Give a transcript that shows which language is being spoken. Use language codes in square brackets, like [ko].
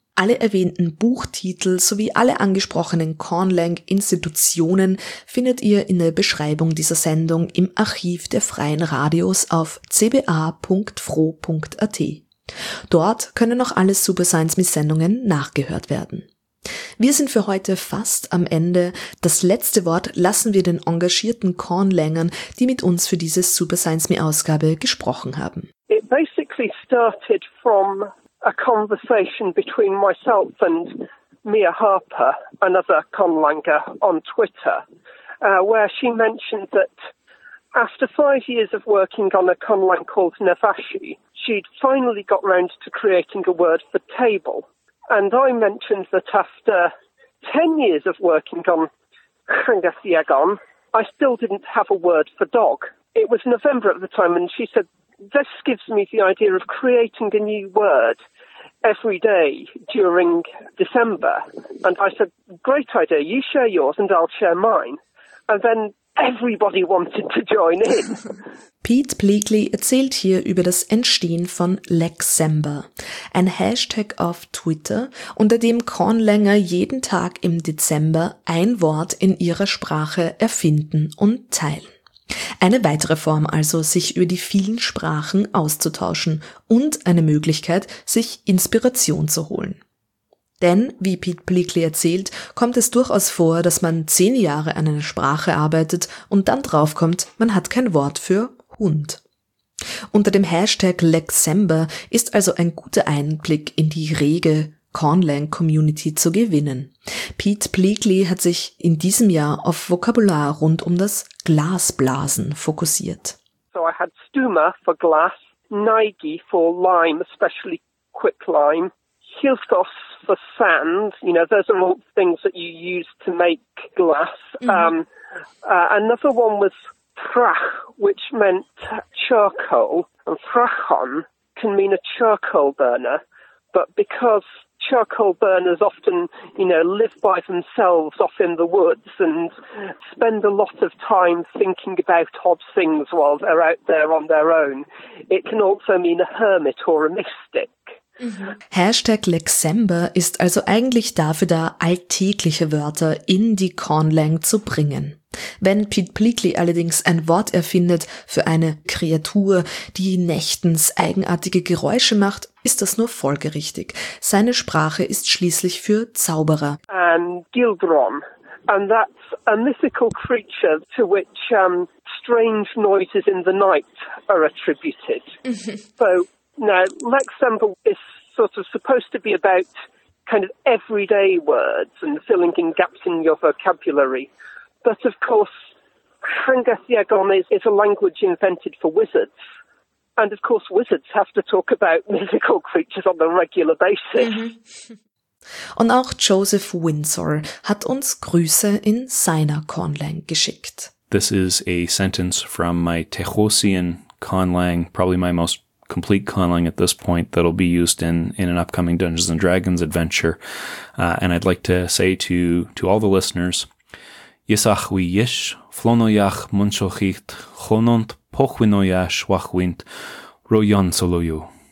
[de] Alle erwähnten Buchtitel sowie alle angesprochenen Conlang-Institutionen findet ihr in der Beschreibung dieser Sendung im Archiv der Freien Radios auf cba.fro.at. Dort können auch alle Super Science Miss Sendungen nachgehört werden. Wir sind für heute fast am Ende. Das letzte Wort lassen wir den engagierten Conlangern, die mit uns für diese Super Science Me Ausgabe gesprochen haben. [en] It basically started from a conversation between myself and Mia Harper, another Conlanger, on Twitter, where she mentioned that after 5 years of working on a Conlang called Nevashi, she'd finally got round to creating a word for table. And I mentioned that after 10 years of working on Changathiagon, I still didn't have a word for dog. It was November at the time, and she said, this gives me the idea of creating a new word every day during December. And I said, great idea, you share yours and I'll share mine. And then everybody wanted to join in. [de] Pete Bleakley erzählt hier über das Entstehen von Lexember, ein Hashtag auf Twitter, unter dem Conlanger jeden Tag im Dezember ein Wort in ihrer Sprache erfinden und teilen. Eine weitere Form also, sich über die vielen Sprachen auszutauschen und eine Möglichkeit, sich Inspiration zu holen. Denn, wie Pete Bleakley erzählt, kommt es durchaus vor, dass man 10 Jahre an einer Sprache arbeitet und dann draufkommt, man hat kein Wort für Hund. Unter dem Hashtag Lexember ist also ein guter Einblick in die rege Conlang-Community zu gewinnen. Pete Bleakley hat sich in diesem Jahr auf Vokabular rund um das Glasblasen fokussiert. [en] So I had Stuma for glass, Nigi for lime, especially quick lime, Hilthos for sand, you know, those are all things that you use to make glass. Mm-hmm. Another one was Frach, which meant charcoal, and Frachon can mean a charcoal burner, but because charcoal burners often, you know, live by themselves off in the woods and spend a lot of time thinking about odd things while they're out there on their own, it can also mean a hermit or a mystic. Mhm. [de] Hashtag Lexember ist also eigentlich dafür da, alltägliche Wörter in die Conlang zu bringen. Wenn Pete Bleakley allerdings ein Wort erfindet für eine Kreatur, die nächtens eigenartige Geräusche macht, ist das nur folgerichtig. Seine Sprache ist schließlich für Zauberer. Gildron. [en] And that's a mythical creature to which strange noises in the night are attributed. So now, Lexempel is sort of supposed to be about kind of everyday words and filling in gaps in your vocabulary. But of course, Hrangathiagon is a language invented for wizards. And of course, wizards have to talk about mythical creatures on a regular basis. [de] Und auch Joseph Windsor hat uns Grüße in seiner Conlang geschickt. [en] This is a sentence from my Texosian Conlang, probably my most complete Conlang at this point, that'll be used in an upcoming Dungeons and Dragons adventure. And I'd like to say to all the listeners, Yisach wi yish, flonoyach munchochicht, chonont pochwinoyash wachwint, royon soloyu.